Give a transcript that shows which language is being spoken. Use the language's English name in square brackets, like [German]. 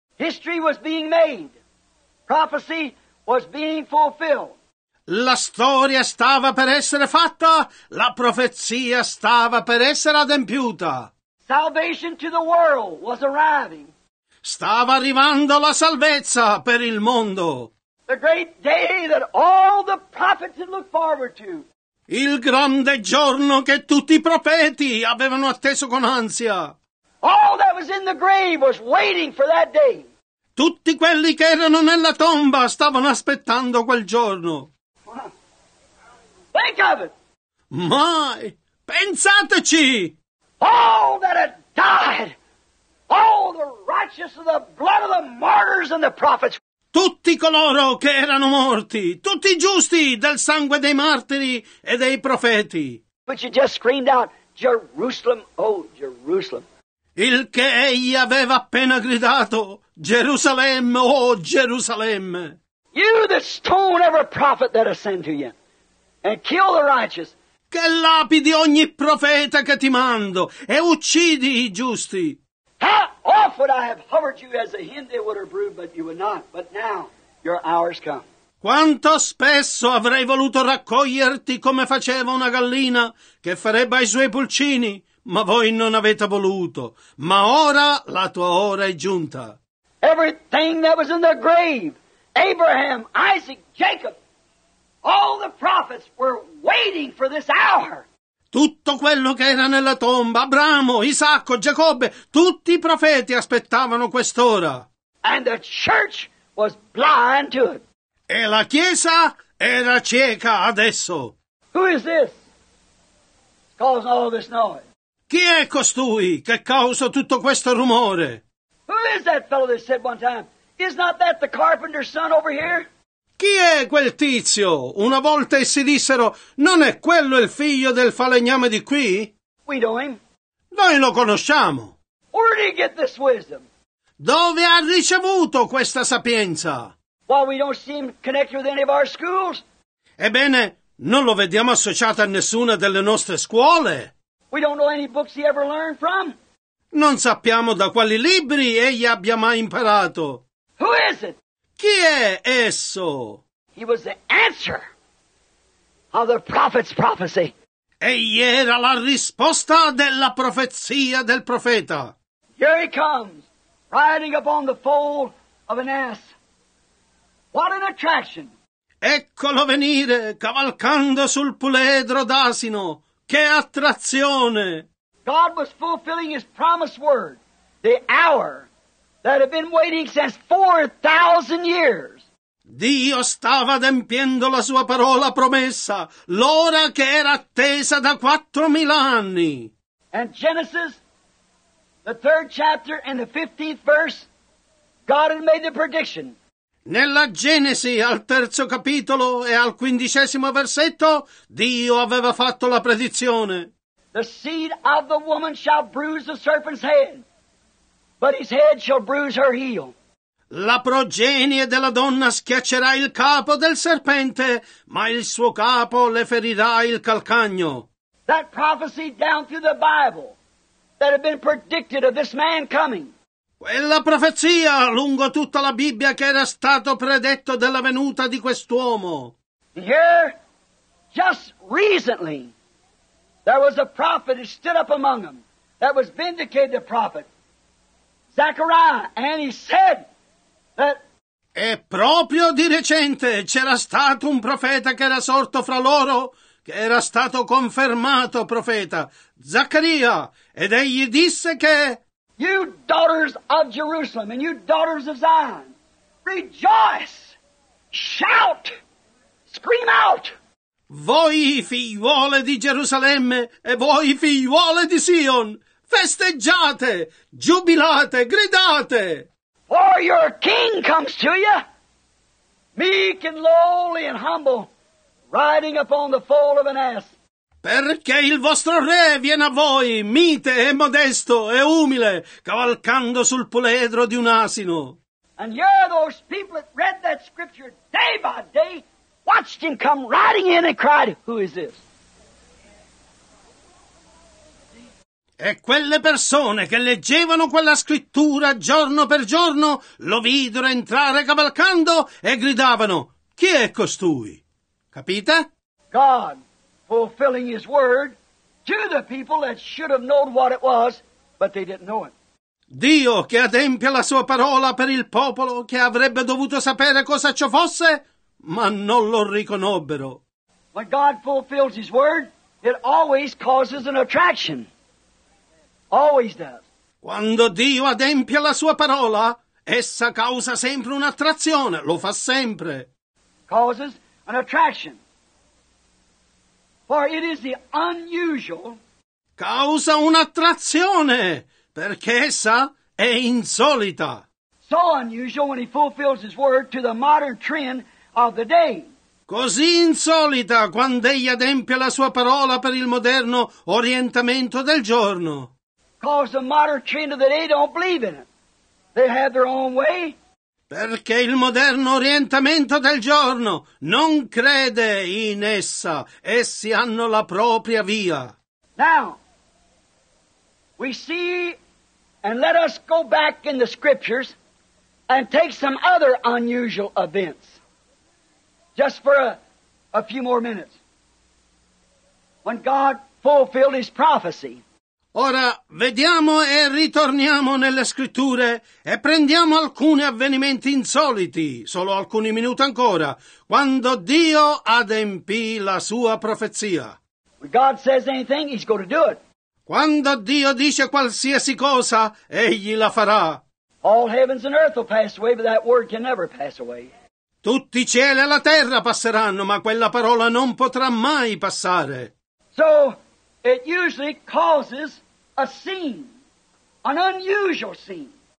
[English] History was being made. Prophecy was being fulfilled. [Italian] La storia stava per essere fatta, la profezia stava per essere adempiuta. [English] Salvation to the world was arriving. [Italian] Stava arrivando la salvezza per il mondo. [English] The great day that all the prophets had looked forward to. [Italian] Il grande giorno che tutti i profeti avevano atteso con ansia. [English] All that was in the grave was waiting for that day. [Italian] Tutti quelli che erano nella tomba stavano aspettando quel giorno. [English] Think of it. [Italian] Mai! Pensateci! [English] All that had died, all the righteous of the blood of the martyrs and the prophets. [Italian] tutti coloro che erano morti, tutti i giusti del sangue dei martiri e dei profeti. [English] But you just screamed out, Jerusalem, oh Jerusalem. [Italian] Il che egli aveva appena gridato, Gerusalemme, oh Gerusalemme. [English] You that stone every prophet that ascend to you, and kill the righteous. [Italian] Che lapidi ogni profeta che ti mando, e uccidi i giusti. [English] How oft would I have hovered you as a hen that would have brooded, but you would not. But now, your hour's come. [Italian] Quanto spesso avrei voluto raccoglierti come faceva una gallina che farebbe i suoi pulcini, ma voi non avete voluto. Ma ora la tua ora è giunta. [English] Everything that was in the grave, Abraham, Isaac, Jacob, all the prophets were waiting for this hour. [Italian] Tutto quello che era nella tomba, Abramo, Isacco, Giacobbe, tutti i profeti aspettavano quest'ora. [English] And the church was blind to it. [Italian] E la Chiesa era cieca adesso. [English] Who is this? Cause all this noise. [Italian] Chi è costui che causa tutto questo rumore? [English] Who is that fellow that said one time, is not that the carpenter's son over here? [Italian] Chi è quel tizio? Una volta essi dissero, non è quello il figlio del falegname di qui? [English] We know him. [Italian] Noi lo conosciamo. [English] Where did he get this wisdom? [Italian] Dove ha ricevuto questa sapienza? [English] Well, we don't see him connected with any of our schools. [Italian] Ebbene, non lo vediamo associato a nessuna delle nostre scuole. [English] We don't know any books he ever learned from. [Italian] Non sappiamo da quali libri egli abbia mai imparato. [English] Who is it? [Italian] Chi è esso? [English] He was the answer of the prophet's prophecy. [Italian] Egli era la risposta della profezia del profeta. [English] Here he comes, riding upon the foal of an ass. What an attraction! [Italian] Eccolo venire, cavalcando sul puledro d'asino. Che attrazione! [English] God was fulfilling his promised word, the hour that had been waiting since 4,000 years. [Italian] Dio stava adempiendo la sua parola promessa, l'ora che era attesa da 4,000 anni. [English] And Genesis, the third chapter and the 15th verse, God had made the prediction. [Italian] Nella Genesi, al terzo capitolo e al quindicesimo versetto, Dio aveva fatto la predizione. [English] The seed of the woman shall bruise the serpent's head, but his head shall bruise her heel. [Italian] La progenie della donna schiaccerà il capo del serpente, ma il suo capo le ferirà il calcagno. [English] That prophecy down through the Bible that had been predicted of this man coming. [Italian] Quella profezia lungo tutta la Bibbia che era stato predetto della venuta di quest'uomo. [English] Here, just recently, there was a prophet who stood up among them that was vindicated, the prophet Zechariah, and he said that. [Italian] E proprio di recente c'era stato un profeta che era sorto fra loro, che era stato confermato profeta, Zaccaria, ed egli disse che. [English] You daughters of Jerusalem and you daughters of Zion, rejoice, shout, scream out. [Italian] Voi figliuole di Gerusalemme e voi figliuole di Sion, festeggiate, giubilate, gridate. [English] For your king comes to you, meek and lowly and humble, riding upon the foal of an ass. [Italian] Perché il vostro re viene a voi, mite e modesto e umile, cavalcando sul puledro di un asino. [English] And here those people that read that scripture day by day watched him come riding in and cried, who is this? [Italian] E quelle persone che leggevano quella scrittura giorno per giorno lo videro entrare cavalcando e gridavano, chi è costui? Capite? [English] God fulfilling his word to the people that should have known what it was, but they didn't know it. [Italian] Dio che adempia la sua parola per il popolo che avrebbe dovuto sapere cosa ciò fosse, ma non lo riconobbero. [English] When God fulfills his word, it always causes an attraction. Always does. [Italian] Quando Dio adempia la sua parola, essa causa sempre un'attrazione. Lo fa sempre. [English] Causes an attraction. For it is the unusual. [Italian] Causa un'attrazione, perché essa è insolita. [English] so unusual when he fulfills his word to the modern trend of the day. [Italian] Così insolita quando egli adempia la sua parola per il moderno orientamento del giorno. [English] Because the modern trend of the day don't believe in it. They have their own way. [Italian] Perché il moderno orientamento del giorno non crede in essa. Essi hanno la propria via. [English] Now, we see, and let us go back in the scriptures and take some other unusual events. Just for a few more minutes. When God fulfilled his prophecy. [Italian] Ora vediamo e ritorniamo nelle scritture e prendiamo alcuni avvenimenti insoliti, solo alcuni minuti ancora, quando Dio adempì la sua profezia. [English] When God says anything, he's going to do it. [Italian] Quando Dio dice qualsiasi cosa, egli la farà. [English] All heavens and earth will pass away, but that word can never pass away. [Italian] Tutti i cieli e la terra passeranno, ma quella parola non potrà mai passare. [English] So, it usually causes a scene, an unusual scene.